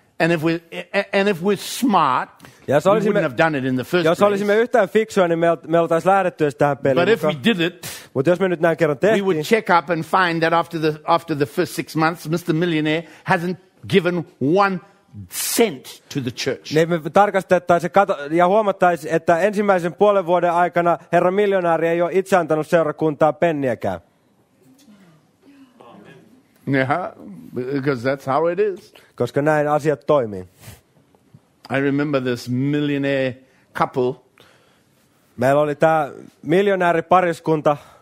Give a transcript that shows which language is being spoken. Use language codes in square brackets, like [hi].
[en] And if we're smart, [fi] ja [en] we wouldn't have done it in the first place. [fi] Jos olisimme yhtään fiksuja, niin me oltaisiin lähdetty edes tähän peliin. [en] But if we did it, [fi] mutta jos me nyt näin kerran tehtiin, [en] we would check up and find that after the first 6 months, Mr. Millionaire hasn't given one cent to the church. [fi] Niin me tarkastettaisiin ja huomattaisiin, että ensimmäisen puolen vuoden aikana herra miljonääri ei ole itse antanut seurakuntaa penniäkään. [en] Yeah, because that's how it is. [fi] Koska näin asiat toimii. [en] I remember this millionaire couple. [fi] Meillä oli tää miljonääri pariskunta.